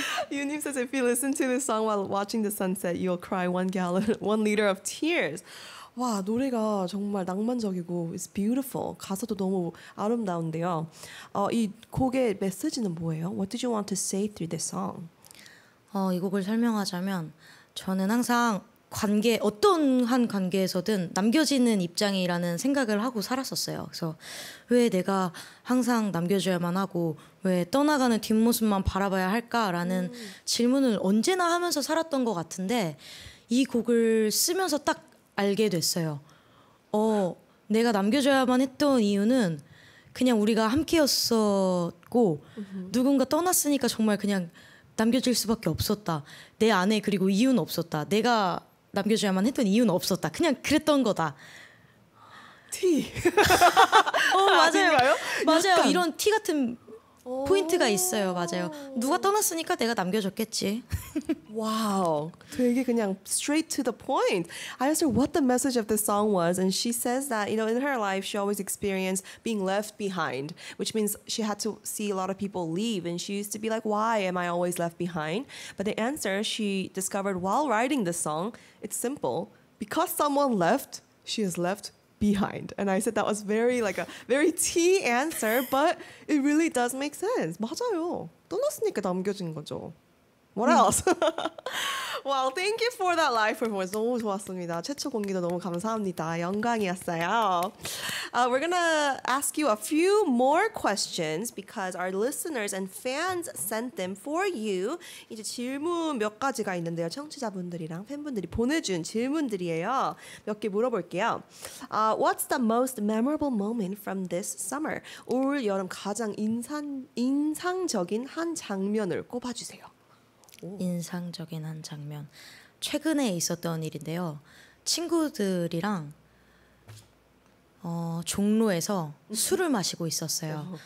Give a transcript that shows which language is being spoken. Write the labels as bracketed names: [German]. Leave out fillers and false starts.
[English] Yunim says, if you listen to this song while watching the sunset, you'll cry one liter of tears. [Korean] 와, 노래가 정말 낭만적이고, [English] it's beautiful. [Korean] 가사도 너무 아름다운데요. 이 곡의 메시지는 뭐예요? [English] What did you want to say through this song? [Korean] 이 곡을 설명하자면, 저는 항상 관계 어떤 한 관계에서든 남겨지는 입장이라는 생각을 하고 살았었어요. 그래서 왜 내가 항상 남겨줘야만 하고 왜 떠나가는 뒷모습만 바라봐야 할까라는 질문을 언제나 하면서 살았던 것 같은데 이 곡을 쓰면서 딱 알게 됐어요. 내가 남겨줘야만 했던 이유는 그냥 우리가 함께였었고 누군가 떠났으니까 정말 그냥 남겨질 수밖에 없었다. 내 안에 그리고 이유는 없었다. 내가 남겨줘야만 했던 이유는 없었다. 그냥 그랬던 거다. 티. 맞아요. 아닌가요? 맞아요. 약간. 이런 티 같은 포인트가 있어요. 맞아요. 누가 떠났으니까 내가 남겨줬겠지. 와우. 되게 그냥 [English] straight to the point. I asked her what the message of this song was, and she says that, you know, in her life, she always experienced being left behind, which means she had to see a lot of people leave, and she used to be like, why am I always left behind? But the answer she discovered while writing this song, it's simple. Because someone left, she is left behind. And I said that was very like a very tea answer, but it really does make sense. [Korean] 맞아요. 떠났으니까 남겨진 거죠. [English] What else? Well, thank you for that live performance. [Korean] 너무 좋았습니다. 최초 공개도 너무 감사합니다. 영광이었어요. [English] We're going to ask you a few more questions because our listeners and fans sent them for you. [Korean] 이제 질문 몇 가지가 있는데요. 청취자분들이랑 팬분들이 보내준 질문들이에요. 몇 개 물어볼게요. [English] What's the most memorable moment from this summer? [Korean] 올 여름 가장 인상적인 한 장면을 꼽아주세요. 인상적인 한 장면. 최근에 있었던 일인데요. 친구들이랑 종로에서 술을 마시고 있었어요.